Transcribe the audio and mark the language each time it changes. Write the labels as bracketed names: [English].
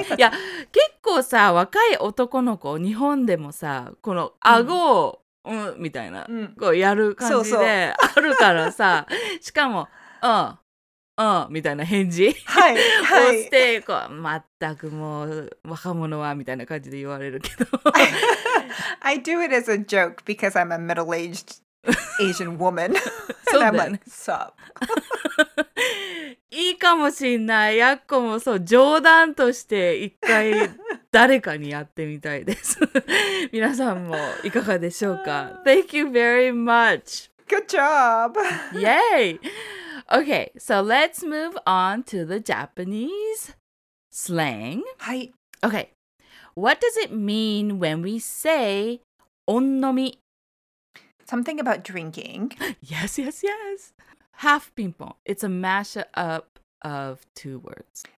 [Japanese] いや、結構さ、若い男の子、日本でもさ、この顎を、mm. うん、みたいな、mm. こうやる感じであるからさ、そうそうしかも、うん、うん、みたいな返事を、はいはい、して、こう、まったくもう、若者は、みたいな感じで言われるけど。 [English] I do it as a joke because I'm a middle-aged Asian woman. [Japanese] そうだよね。 [English] Sup. [Japanese] いいかもしんない。やっこもそう、冗談として一回誰かにやってみたいです。皆さんもいかがでしょうか? [English] Thank you very much. Good job. Yay! Okay, so let's move on to the Japanese slang. [Japanese] はい。 [English] Okay. What does it mean when we say onnomi? Something about drinking. Yes, yes, yes. Half ping pong. It's a mashup of two words.